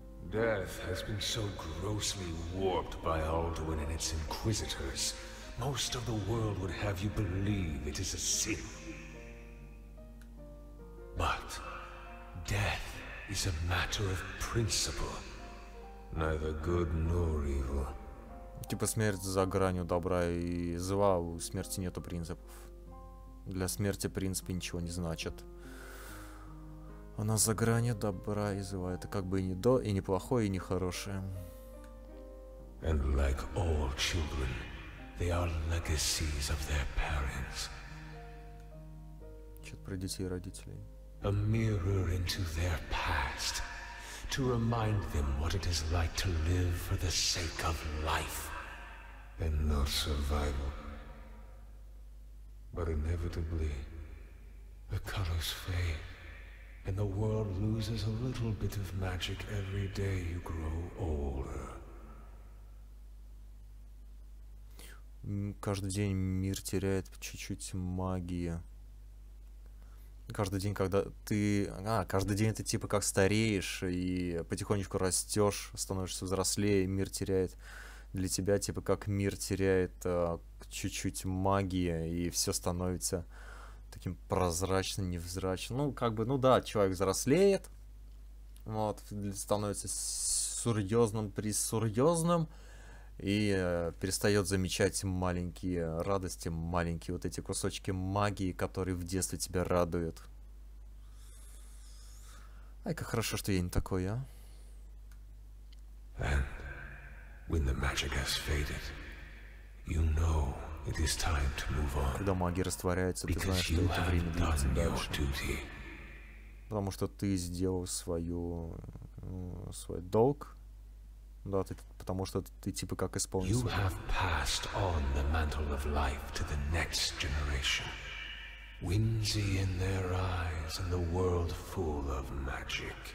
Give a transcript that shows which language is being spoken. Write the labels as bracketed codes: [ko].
[en] Death has been so grossly warped by Alduin and its inquisitors, most of the world would have you believe it is a sin. But death is a matter of principle, neither good nor evil. [ru] Типа смерть за гранью добра и зла, у смерти нету принципов. Для смерти принципы ничего не значат. Она за грани добра и зла. Это как бы и не до, и не плохое, и не хорошее. [en] And like all children, they are legacies of their parents. [ru] Чё-то про детей и родителей. [en] A mirror into their past, to remind them what it is like to live for the sake of life, and not survival. But inevitably, the colors fade. And the world loses a little bit of magic every day you grow older. [ru] Каждый день мир теряет чуть-чуть магии. Каждый день, когда ты... каждый день ты типа как стареешь и потихонечку растешь, становишься взрослее, мир теряет для тебя, типа как мир теряет чуть-чуть магии, и все становится... таким прозрачным, невзрачным. Человек взрослеет. Вот, становится серьезным, присерьезным. И перестает замечать маленькие радости, маленькие вот эти кусочки магии, которые в детстве тебя радуют. Ай, как хорошо, что я не такой, а. [en] And when the magic has faded, you know. It is time to move on. [ru] Когда магия растворяется, ты знаешь, что это время длится дальше. Потому что ты сделал свой долг. Да, потому что ты типа как исполнил. [en] You have passed on the mantle of life to the next generation. Whimsy in their eyes and the world full of magic.